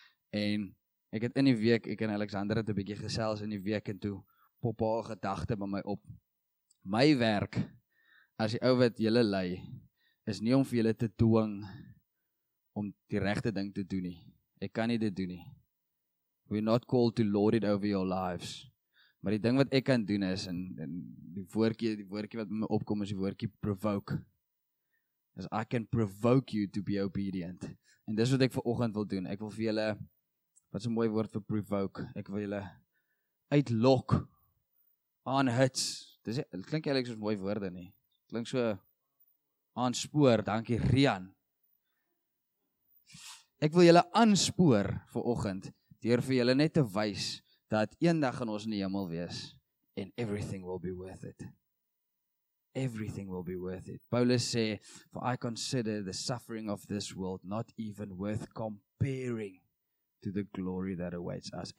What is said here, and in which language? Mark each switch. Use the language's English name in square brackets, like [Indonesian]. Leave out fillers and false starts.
[Afrikaans] En ek het in die week, ek en Alexander het 'n bietjie gesels in die week en toe pop haar gedagte by my op. My werk, as die ou wat julle lei, is nie om vir julle te dwing om die regte ding te doen nie. Ek kan nie dit doen nie. [English] We're not called to lord it over your lives. [Afrikaans] Maar die ding wat ek kan doen is, en die woordjie wat by my opkom is die woordjie provoke. [English] Is I can provoke you to be obedient. [Afrikaans] En dis wat ek vir oggend wil doen. Ek wil vir julle, wat is een mooi woord vir provoke, ek wil julle uitlok, aanhuts. Dit klink eigenlijk soos mooie woorde nie. Klink so aanspoor, dankie Rian. Ek wil julle aanspoor vir oggend, deur vir julle net te wys, dat eendag in ons in die hemel wees, [English] and everything will be worth it. Everything will be worth it. Paulus sê, for I consider the suffering of this world not even worth comparing to the glory that awaits us.